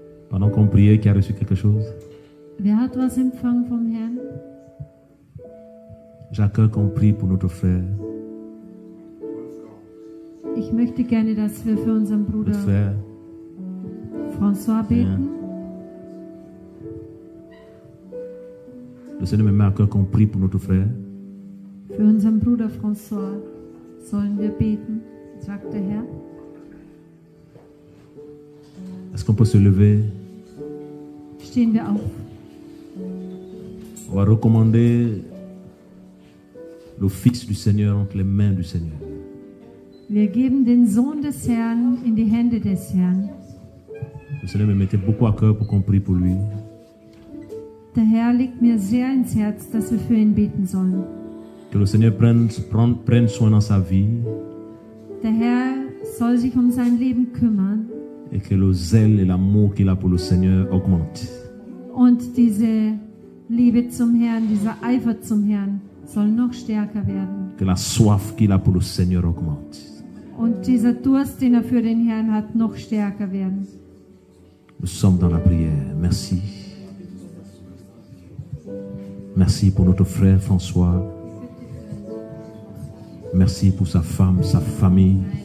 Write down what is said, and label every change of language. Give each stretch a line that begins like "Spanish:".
French: Pendant qu'on priait, qui a reçu quelque chose?
German: Wer hat was empfangen vom Herrn?
French: Jacques, qu'on prie pour notre frère.
German: Ich möchte gerne, dass wir für unseren Bruder
French: frère,
German: François beten.
French: Le Seigneur me met à cœur qu'on prie pour notre frère.
German: Für unseren Bruder François sollen wir beten, sagt der Herr.
French: Est-ce qu'on peut se lever?
German: Stehen wir auf.
French: On va recommander le Fils du Seigneur entre les mains du Seigneur.
German: Wir geben den Sohn des Herrn in die Hände des Herrn.
French: Le Seigneur me mettait beaucoup à cœur pour qu'on prie pour lui.
German: Der Herr legt mir sehr ins Herz, dass wir für ihn beten sollen.
French: Que le Seigneur prenne soin dans sa vie.
German: Der Herr soll sich um sein Leben kümmern.
French: Et que le zèle et l'amour qu'il a pour le Seigneur augmente.
German: Und diese Liebe zum Herrn, dieser Eifer zum Herrn soll noch stärker werden.
French: Que la soif qu'il a pour le Seigneur augmente.
German: Und dieser Durst, den er für den Herrn hat, noch stärker werden.
French: Nous sommes dans la prière. Merci. Merci pour notre frère François. Merci pour sa femme, sa famille.